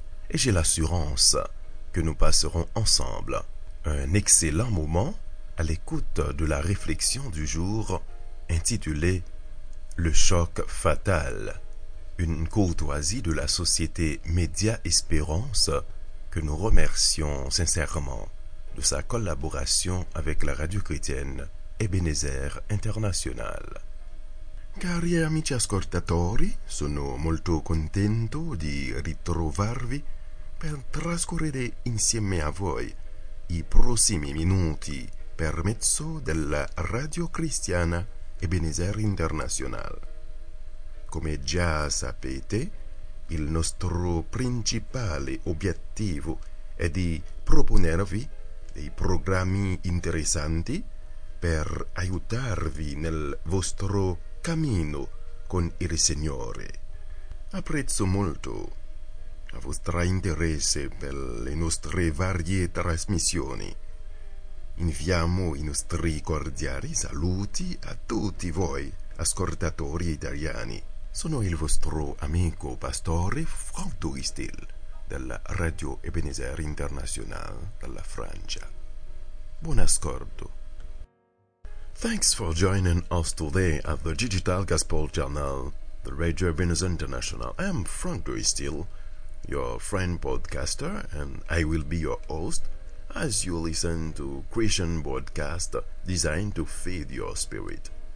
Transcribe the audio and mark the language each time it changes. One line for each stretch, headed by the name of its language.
French: et j'ai l'assurance que nous passerons ensemble un excellent moment à l'écoute de la réflexion du jour intitulée « Le choc fatal », une courtoisie de la société Média Espérance que nous remercions sincèrement de sa collaboration avec la radio chrétienne Ebenezer International.
Italian: Cari amici ascoltatori, sono molto contento di ritrovarvi per trascorrere insieme a voi i prossimi minuti per mezzo della radio cristiana Ebenezer International. Come già sapete, il nostro principale obiettivo è di proponervi dei programmi interessanti per aiutarvi nel vostro cammino con il Signore. Apprezzo molto il vostro interesse per le nostre varie trasmissioni. Inviamo i nostri cordiali saluti a tutti voi, ascoltatori italiani. Sono il vostro amico pastore Franck Doristil, della Radio Ebenezer International, dalla Francia. Buon ascolto.
English: Thanks for joining us today at the Digital Gospel Channel, the Radio Ebenezer International. I am Franck Doristil, your friend podcaster, and I will be your host as you listen to Christian broadcast designed to feed your spirit.